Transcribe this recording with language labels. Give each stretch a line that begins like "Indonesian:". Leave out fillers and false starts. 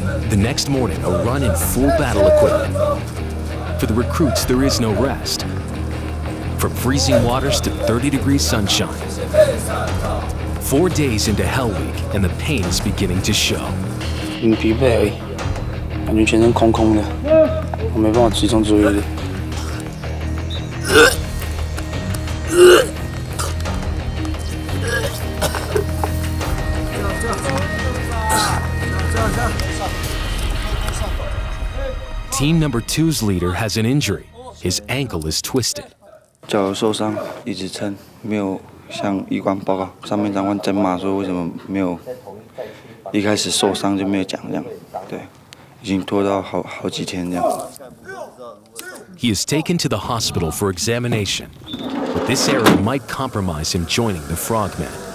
English: The next morning, a run in full battle equipment. For the recruits, there is no rest. From freezing waters to 30 degrees sunshine. 4 days into Hell Week, and the pain is beginning to show.
Chinese: 很疲惫而已，感觉全身空空的，我没办法集中注意力。
English: Team number two's leader has an injury. His ankle is twisted.
Chinese: 脚受伤，一直撑，没有向医官报告。上面长官在骂说为什么没有一开始受伤就没有讲这样，对，已经拖到好几天这样。
English: He is taken to the hospital for examination, but this error might compromise him joining the Frogmen.